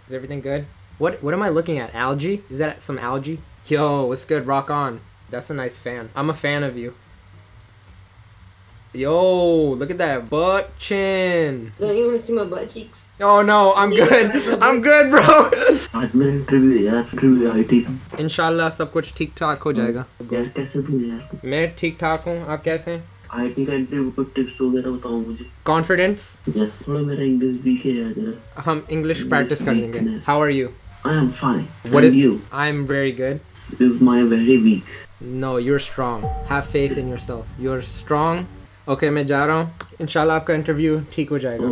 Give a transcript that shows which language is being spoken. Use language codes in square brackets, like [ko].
[en] Is everything good? What am I looking at? Algae? Is that some algae? Yo, what's good? Rock on. That's a nice fan. I'm a fan of you. Yo, look at that butt chin. No, you wanna see my butt cheeks? Oh no, I'm good. I'm good, bro. Admin to the app to the IT. [hi] इंशाल्लाह, सब कुछ ठीक ठाक हो जायेगा। Yaar, kaise ho yaar? मैं ठीक ठाक हूँ। आप कैसे हैं? [en] I think I need to put tips together. [hi] Batao mujhe. [en] Confidence? Yes. [hi] Thoda mera English weak hai yaar. हम English practice करेंगे। [en] How are you? I am fine. What are you? I'm very good. This is my very weak. No, you're strong. Have faith in yourself. You're strong. [hi] Okay, मैं जा रहा हूँ। इंशाल्लाह, आपका interview ठीक हो जायेगा।